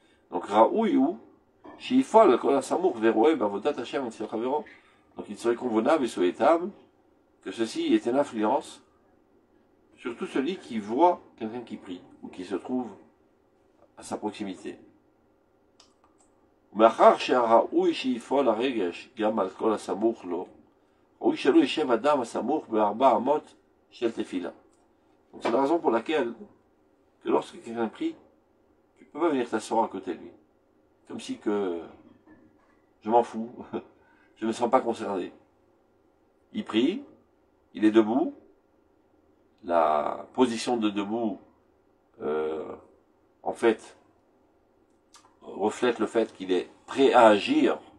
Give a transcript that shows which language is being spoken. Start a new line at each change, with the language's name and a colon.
French: Donc Raouyou, Shifal, Kola Samour, Verouye, Bavodat Hashem, Tsiravero. Donc il serait convenable et souhaitable que ceci ait une influence sur tout celui qui voit quelqu'un qui prie ou qui se trouve à sa proximité.
Hebrew: ומאחר שהראוי שיפעל לרגש גם על כל הסמוך לו, ראוי שלא יישב אדם הסמוך בארבע אמות של תפילה.
French: Donc c'est la raison pour laquelle que lorsque quelqu'un prie, tu peux pas venir t'asseoir à côté de lui. Comme si que je m'en fous, je me sens pas concerné. Il prie, il est debout, la position de debout, en fait, reflète le fait qu'il est prêt à agir.